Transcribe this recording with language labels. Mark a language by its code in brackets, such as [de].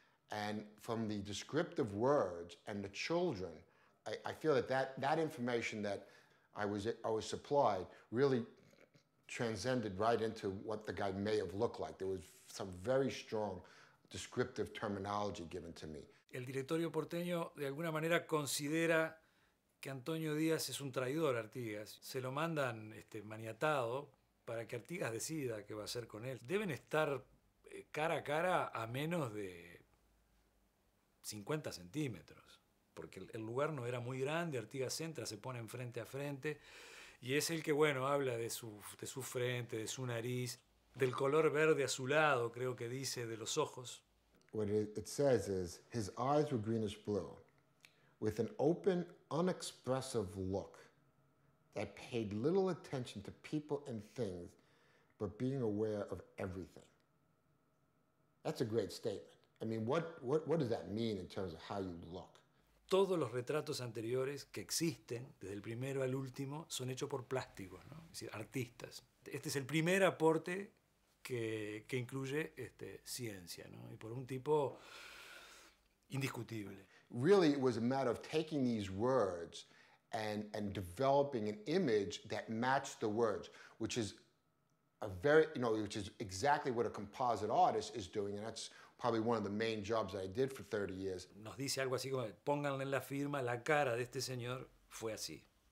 [en] And from the descriptive words and the children, I feel that information that I was supplied really transcended right into what the guy may have looked like. There was some very strong descriptive terminology given to me. [es] El directorio porteño de alguna manera considera que Antonio Díaz es un traidor a Artigas. Se lo mandan maniatado para que Artigas decida qué va a hacer con él. Deben estar cara a cara a menos de 50 centímetros, porque el lugar no era muy grande. Artigas entra, se pone frente a frente Y es el que, bueno, habla de su frente, de su nariz, del color verde azulado, creo que dice, de los ojos. [en] What it says is, his eyes were greenish blue, with an open, unexpressive look that paid little attention to people and things, but being aware of everything. That's a great statement. I mean, what does that mean in terms of how you look? [es] Todos los retratos anteriores que existen, desde el primero al último, son hechos por plásticos, ¿no? Es decir, artistas. Este es el primer aporte que incluye ciencia, ¿no? Y por un tipo indiscutible. [en] Really, it was a matter of taking these words and developing an image that matched the words, which is a very, you know, which is exactly what a composite artist is doing, and that's probably one of the main jobs I did for 30 years. [es] Nos dice algo así como, pónganle en la firma, la cara de este señor fue así.